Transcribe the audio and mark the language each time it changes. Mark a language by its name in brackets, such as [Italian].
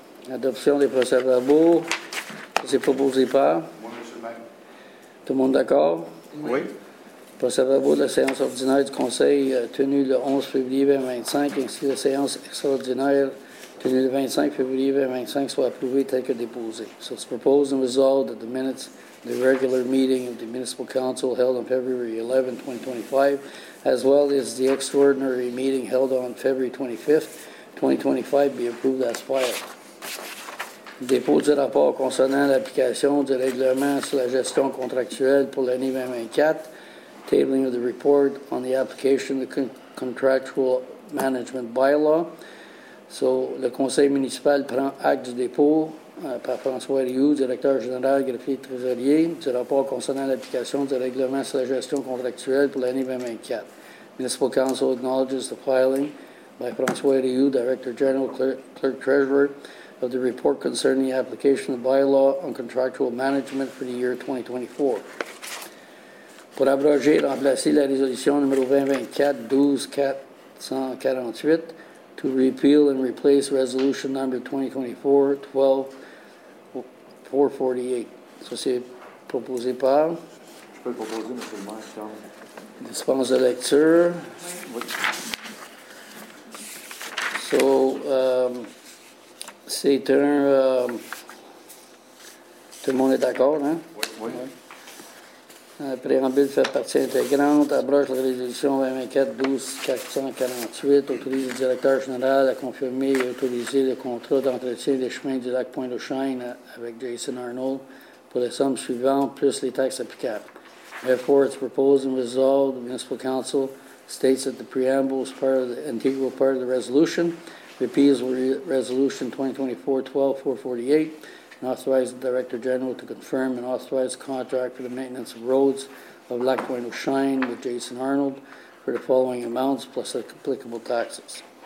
[French] Adoption des procès-verbaux. Ça ne s'est pas posé par. Moi, M. le maire. Tout le monde d'accord? Oui. Procès-verbaux de la séance ordinaire du Conseil tenue le 11 février 2025, ainsi que la séance extraordinaire tenue le 25 février 2025 soit approuvée telle que déposée. [English] So it's proposed and resolved that the minutes of the regular meeting of the Municipal Council held on February 11, 2025, as well as the extraordinary meeting held on February 25, 2025, be approved as filed. [French] Dépôt du rapport concernant l'application du règlement sur la gestion contractuelle pour l'année 2024, [English] tabling of the report on the application of the contractual management bylaw. [French] So, le conseil municipal prend acte du dépôt par François Rioux, directeur général, greffier trésorier, du rapport concernant l'application du règlement sur la gestion contractuelle pour l'année 2024. [English] Municipal Council acknowledges the filing by François Rioux, director general, clerk treasurer, of the report concerning the application of bylaw on contractual management for the year 2024. [French] Pour abroger et remplacer la résolution numéro 2024-12448, [English] to repeal and replace resolution number 2024-12448. [French] Ça, c'est proposé par. Je peux proposer, M. le maire. Dispense de lecture. Oui. So, c'est un. Tout le monde est d'accord, hein? Oui, oui. Préambule fait partie intégrante, abroge la résolution 2024-12448, autorise le directeur général à confirmer et autoriser le contrat d'entretien des chemins du lac Pointe-au-Chêne avec Jason Arnold pour les sommes suivantes plus les taxes applicables. [English] Therefore, it's proposed and resolved. The Municipal Council states that the preamble is part of the integral part of the resolution, repeals resolution 2024-12448. And authorize the Director General to confirm and authorize contract for the maintenance of roads of Lac Pointe-au-Chêne with Jason Arnold for the following amounts plus applicable taxes.